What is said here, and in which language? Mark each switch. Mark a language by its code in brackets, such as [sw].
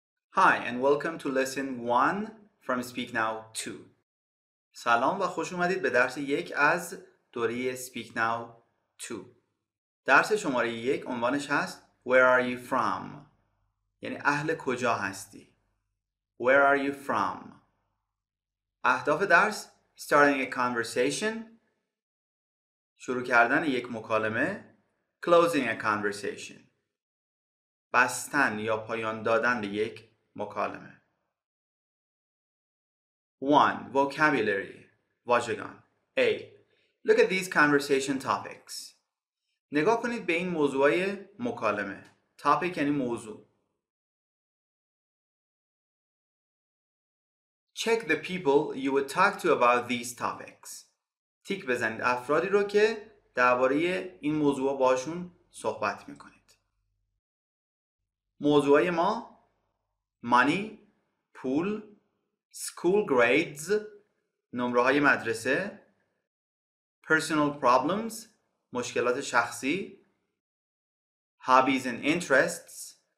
[en] Hi and welcome to lesson 1 from Speak Now 2. [fa] سلام و خوش اومدید به درس 1 از دوره Speak Now 2. درس شماره 1 عنوانش هست [en] Where are you from? [fa] یعنی اهل کجا هستی؟ [en] Where are you from? [fa] اهداف درس [en] Starting a conversation، [fa] شروع کردن یک مکالمه، [en] Closing a conversation، [fa] بستن یا پایان دادن به یک مکالمه. [en] 1. Vocabulary. واژگان. A. Look at these conversation topics. [fa] نگاه کنید به این موضوعای مکالمه. Topic یعنی موضوع. [en] Check the people you would talk to about these topics. [fa] تیک بزنید افرادی رو که درباره این موضوع باشون صحبت میکنید. موضوعای ما Money، پول، [en] School grades، [fa] نمره های مدرسه، [en] Personal problems، [fa] مشکلات شخصی، [en] Hobbies and interests،